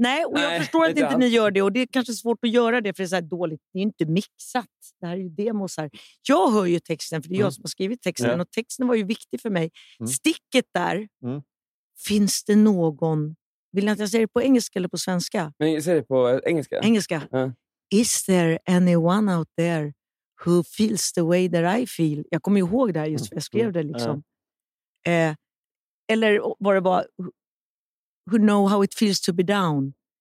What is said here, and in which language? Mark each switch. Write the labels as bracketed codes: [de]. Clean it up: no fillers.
[sv] Nej, och jag förstår att inte ni gör det. Och det är kanske svårt att göra det för det är så här dåligt. Det är ju inte mixat. Det här är ju demos här. Jag hör ju texten för det är jag som har skrivit texten. Ja. Och texten var ju viktig för mig. Sticket där. Finns det någon? Vill ni att jag säger det på engelska eller på svenska? Men jag säger det på engelska. Engelska. [en] Is there anyone out there who feels the way that I feel? [sv] Jag kommer ihåg det här just för jag skrev det liksom. Eller var det bara [en] who know how it feels to be down?